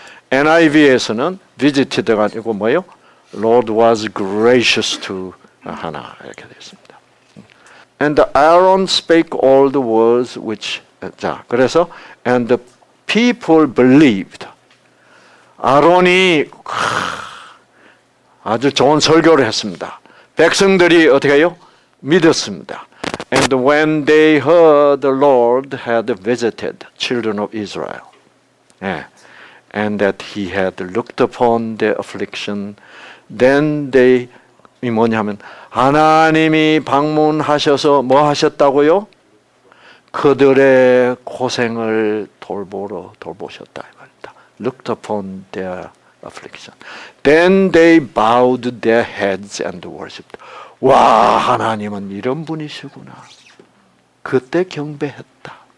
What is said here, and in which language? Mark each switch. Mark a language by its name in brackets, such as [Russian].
[Korean] NIV에서는 visited가 아니고 뭐요? [English] Lord was gracious to Hannah [Korean] 이렇게 되었습니다. [English] And Aaron spake all the words which [Korean] 자 그래서 [English] and the people believed. [Korean] 아론이 아주 좋은 설교를 했습니다. 백성들이 어떻게 해요? 믿었습니다. [English] And when they heard the Lord had visited children of Israel, and that he had looked upon their affliction, then they, [Korean] 이 뭐냐면 하나님이 방문하셔서 뭐 하셨다고요? 그들의 고생을 돌보셨다. [English] Looked upon their affliction. Then they bowed their heads and worshipped. [Korean] 와, 하나님은 이런 분이시구나. 그때 경배했다.